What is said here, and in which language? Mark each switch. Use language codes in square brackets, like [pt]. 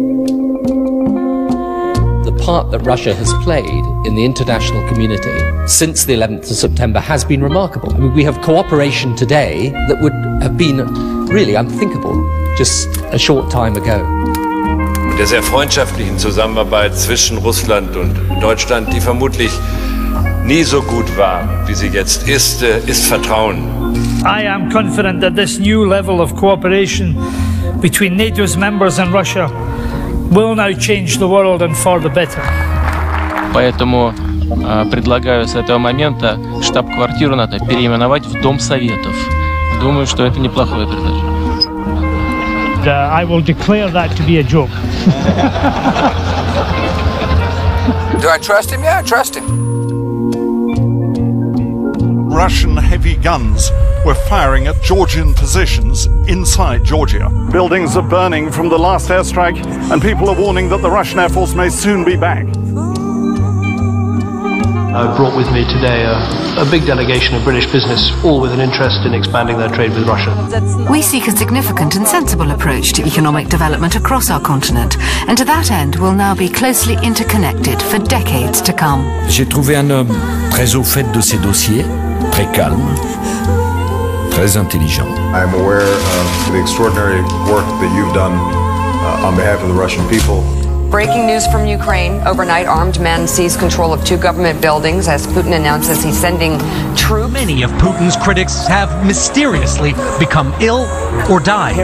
[en] The part that Russia has played in the international community since the 11th of September has been remarkable. I mean, we have cooperation today that would have been really unthinkable. Just a short time ago. [de] Der sehr freundschaftlichen Zusammenarbeit zwischen Russland und Deutschland, die vermutlich nie so gut war, wie sie jetzt ist, ist Vertrauen. [en] I am confident that this new level of cooperation between NATO's members and Russia will now change the world and for the better. [ru] Поэтому предлагаю с этого момента штаб-квартиру надо переименовать в Дом Советов. Думаю, что это неплохое предложение. [en] I will declare that to be a joke. Do I trust him? Yeah, I trust him. Russian heavy guns were firing at Georgian positions inside Georgia. Buildings are burning from the last airstrike, and people are warning that the Russian Air Force may soon be back. I brought with me today a big delegation of British business, all with an interest in expanding their trade with Russia. We seek a significant and sensible approach to economic development across our continent, and to that end we'll now be closely interconnected for decades to come. [fr] J'ai trouvé un homme très au fait de ces dossiers, très calme, très intelligent. [en] I'm aware of the extraordinary work that you've done on behalf of the Russian people. Breaking news from Ukraine. Overnight, armed men seize control of two government buildings as Putin announces he's sending troops. Many of Putin's critics have mysteriously become ill or died.